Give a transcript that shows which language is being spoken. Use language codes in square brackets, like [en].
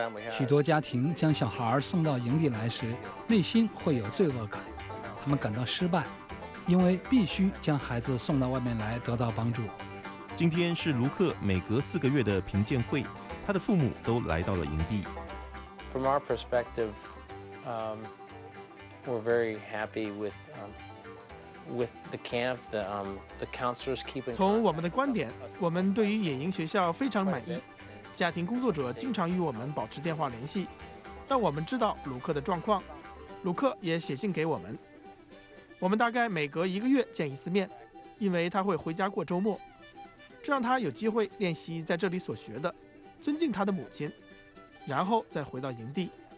[zh] 许多家庭将小孩送到营地来时，内心会有罪恶感，他们感到失败，因为必须将孩子送到外面来得到帮助。今天是卢克每隔4个月的评鉴会，他的父母都来到了营地。 [en] From our perspective, we're very happy with the camp. The counselors keep. [zh] 从我们的观点，我们对于野营学校非常满意。家庭工作者经常与我们保持电话联系，但我们知道卢克的状况，卢克也写信给我们。我们大概每隔1个月见一次面，因为他会回家过周末，这让他有机会练习在这里所学的，尊敬他的母亲，然后再回到营地。